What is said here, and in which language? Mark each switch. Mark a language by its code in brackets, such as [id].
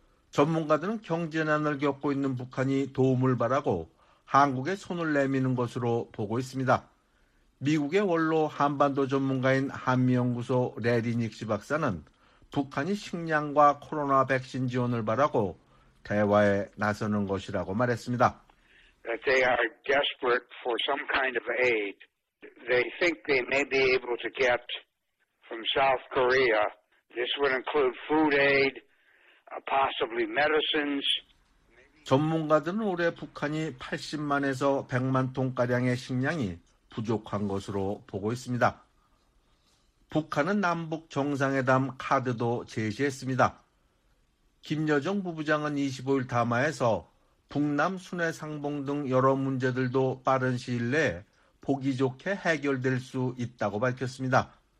[ko] 전문가들은 경제난을 겪고 있는 북한이 도움을 바라고 한국에 손을 내미는 것으로 보고 있습니다. 미국의 원로 한반도 전문가인 한미연구소 레리닉시 박사는 북한이 식량과 코로나 백신 지원을 바라고 대화에 나서는 것이라고 말했습니다. [en] That they are desperate for some kind of aid. They think they may be able to get from South Korea. This would include food aid, possibly medicines. [ko] 전문가들은 올해 북한이 80만에서 100만 톤가량의 식량이 부족한 것으로 보고 있습니다. 북한은 남북 정상회담 카드도 제시했습니다. 김여정 부부장은 25일 담화에서 북남 순회 상봉 등 여러 문제들도 빠른 시일 내에 보기 좋게 해결될 수 있다고 밝혔습니다.